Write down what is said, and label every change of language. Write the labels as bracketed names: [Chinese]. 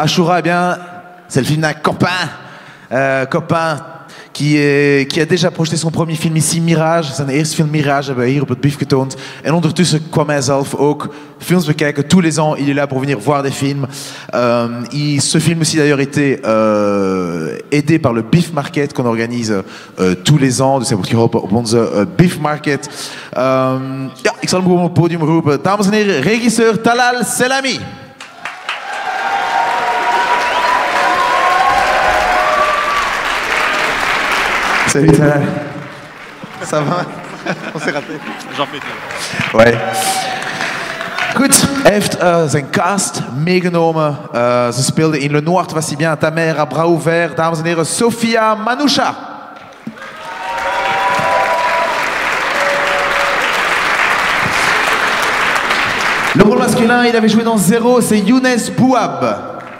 [French] Ashura, eh bien, c'est le film d'un copain. Copain qui, qui a déjà projeté son premier film ici, Mirage. [Dutch] Zijn eerste film Mirage hebben we hier op het BIF getoond. En ondertussen kwam hij zelf ook films bekijken. [French] Tous les ans, il est là pour venir voir des films. Ce film aussi d'ailleurs était aidé par le BIF Market qu'on organise tous les ans. [Dutch] Dus hij wordt geholpen op onze BIF Market. Ja, ik zal hem gewoon op het podium roepen. Dames en heren, regisseur Talal Selami. [French] Salut, ça va? On s'est raté. J'en fais tout. Ouais. [Dutch] Goed, hij heeft zijn cast meegenomen. Ze speelde in Le Noir, Tu vas si bien, Ta mère, à bras ouverts. Dames en heren, Sophia Manoucha. [French] Le rôle masculin, il avait joué dans Zéro, c'est Younes Bouab.